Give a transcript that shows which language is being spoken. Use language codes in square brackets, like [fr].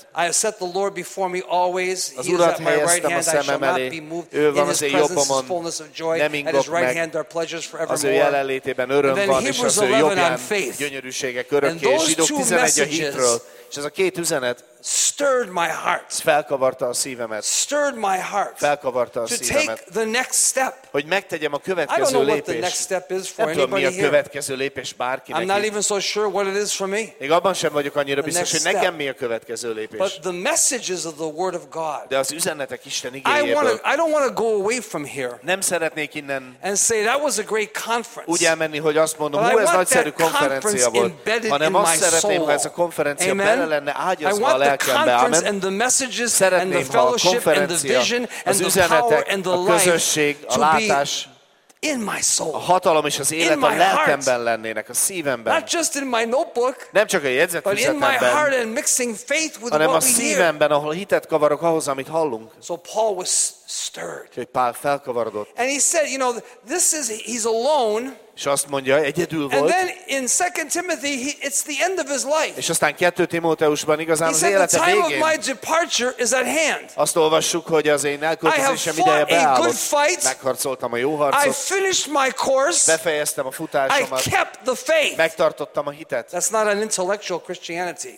[en] I have set the Lord before me always. [hu] Az Urat helyeztem a szemem elé. Ő van az én jobbomon. Nem ingok meg. [en] At his right hand are [hu] az ő jelenlétében öröm van, és az ő jobbján gyönyörűségek örökké. És Zsidók 11 a hitről. És ez a két üzenet [en] stirred my heart. [hu] Felkavarta a szívemet. [en] Stirred my heart. [hu] Felkavarta a to szívemet. [en] Take the next step. [hu] Hogy megtegyem a következő lépést. Nem tudom, mi a következő lépés bárkinek. [en] I'm not even so sure what it is for me. [hu] Még abban sem vagyok annyira biztos, hogy nekem mi a következő lépés. [en] But the messages of the word of God. [hu] De az üzenetek Isten igéjéből. [en] I don't want to go away from here. [hu] Nem szeretnék innen. [en] And say that was a great conference. [hu] Úgy elmenni, hogy azt mondom, hogy ez nagyszerű konferencia volt. Hanem azt szeretném, hogy ez a konferencia bele lenne ágyazva. [en] The conference and the messages and the fellowship and the vision and the power and the life to be in my soul. [hu] A hatalom és az életem lelkemben lennének, a szívemben. [en] Not just in my notebook, [hu] nem csak a jegyzetfüzetemben, hanem a szívemben, ahol hitet kavarok ahhoz, amit hallunk. [en] So Paul was stirred. [hu] Hogy Pál felkavarodott. [en] And he said, you know, this is, he's alone. [hu] És azt mondja, egyedül volt. [en] And then in 2 Timothy, it's the end of his life. [hu] És aztán 2 Timóteusban igazán az élete végén. [en] He said, the time of my departure is at hand. [hu] Azt olvassuk, hogy az én elköltözésem ideje beállott. Megharcoltam a jó harcot. [en] I finished my course. [hu] Befejeztem a futásomat. [en] I kept the faith. [hu] Megtartottam a hitet. [en] That's not an intellectual Christianity.